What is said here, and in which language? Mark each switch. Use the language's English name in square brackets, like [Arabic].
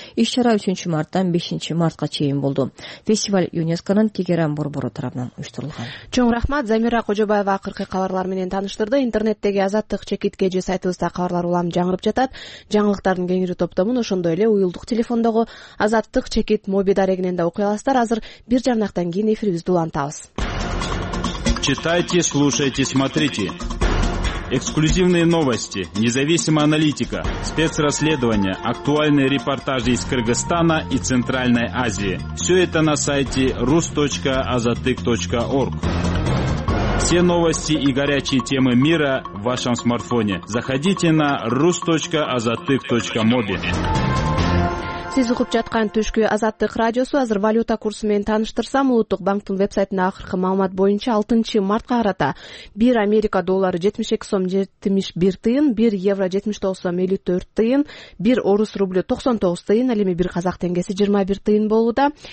[Kyrgyz] Иш чара 3 марттан 5 мартка чейин болду. Фестиваль ЮНЕСКОнун Тегеран борбору тарабынан уюштурулган. Чоң рахмат Замира Кожобаева акыркы кабарлар менен тааныштырды. Интернеттеги Азаттык чекит кеже сайтыбызда кабарлар улам жаңырып жатат. Жаңылыктардын кеңири топтомун ошондой эле уюлдук телефондогу Азаттык чекит мобил дарегинен да окуй аласыздар. Азыр бир жарнактан кийин эфирибизди улантабыз. [Russian] Читайте, слушайте, смотрите. Эксклюзивные новости, независимая аналитика, спецрасследования, актуальные репортажи из Кыргызстана и Центральной Азии. Все это на сайте rus.azatyk.org. Все новости и горячие темы мира в вашем смартфоне. Заходите на rus.azatyk.mobi. [Kyrgyz] Сиз угуп жаткан түшкү Азаттык радиосу азыр валюта курсу менен тааныштырсам, Улуттук банктын вебсайтына акыркы маалымат боюнча 6 мартка карата 1 Америка доллары 72 сом 71 тыйын, 1 евро 79 сом 54 тыйын, 1 орус рублю 99 тыйын, ал эми 1 казак тенгеси 21 тыйын болууда.